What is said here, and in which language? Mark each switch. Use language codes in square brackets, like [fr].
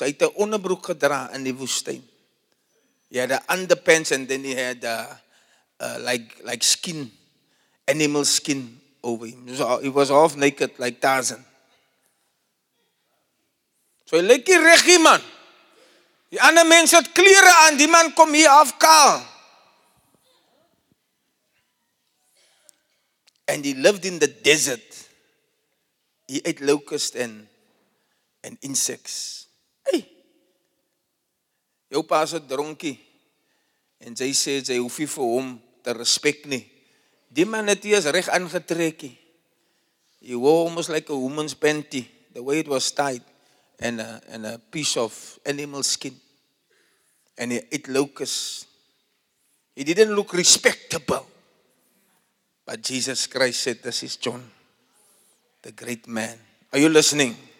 [af] Hy het 'n onderbroek gedra in die woestyn. [en] He had underpants, and then he had like skin, animal skin over him. He was half naked, like Tarzan. So he like [af] die reggie, man. Die ander mense het klere aan, die man kom hier half kaal. [en] And he lived in the desert. He ate locusts and insects. Hey! [af] Jou pa is 'n dronkie. En jy sê jy hoef nie vir hom te respek nie. Die man het eers reg aangetrek. [en] He wore almost like a woman's panty, the way it was tied, and a piece of animal skin. And he ate locusts. He didn't look respectable. But Jesus Christ said, this is John, the great man. Are you listening?